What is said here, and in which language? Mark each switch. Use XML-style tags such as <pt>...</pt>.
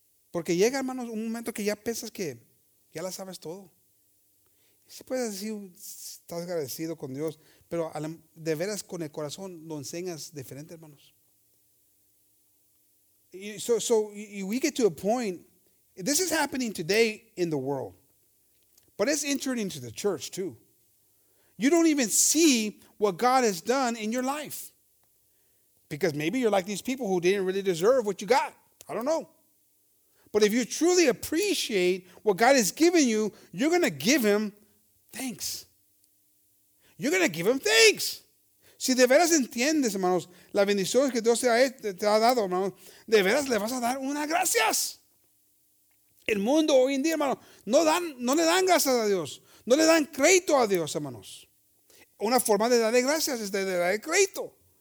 <es>Porque llega, hermanos, un momento que ya piensas que ya la sabes todo. Si puedes decir, estás agradecido con Dios, pero de veras con el corazón lo enseñas diferente, hermanos.</es> <en>So we get to a point, this is happening today in the world, but it's entering into the church too. You don't even see what God has done in your life. Because maybe you're like these people who didn't really deserve what you got. I don't know. But if you truly appreciate what God has given you, you're going to give him thanks. You're going to give him thanks.</en> <es>Si de veras entiendes, hermanos, la bendición que Dios te ha dado, hermanos, de veras le vas a dar unas gracias. El mundo hoy en día, hermanos, no le dan gracias a Dios. No le dan crédito a Dios, hermanos. Una forma de darle gracias es de darle crédito.</es>